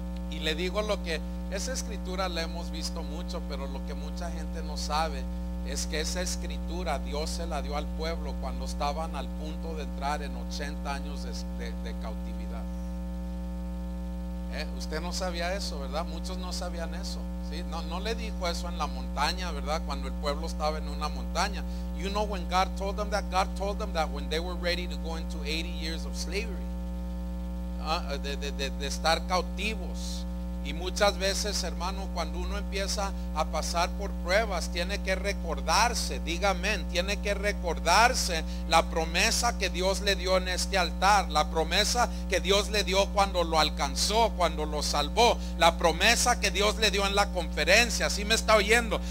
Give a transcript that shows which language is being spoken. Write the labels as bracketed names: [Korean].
[Spanish] Y le digo lo que esa escritura la hemos visto mucho, pero lo que mucha gente no sabe es que esa escritura Dios se la dio al pueblo cuando estaban al punto de entrar en 80 años de cautividad. Usted no sabía eso, ¿verdad? Muchos no sabían eso, ¿sí? No le dijo eso en la montaña, ¿verdad? Cuando el pueblo estaba en una montaña. [English] You know when God told them that when they were ready to go into 80 years of slavery, [Spanish] de estar cautivos. Y muchas veces, hermano, cuando uno empieza a pasar por pruebas, tiene que recordarse, dígame, tiene que recordarse la promesa que Dios le dio en este altar, la promesa que Dios le dio cuando lo alcanzó, cuando lo salvó, la promesa que Dios le dio en la conferencia, ¿sí me está oyendo?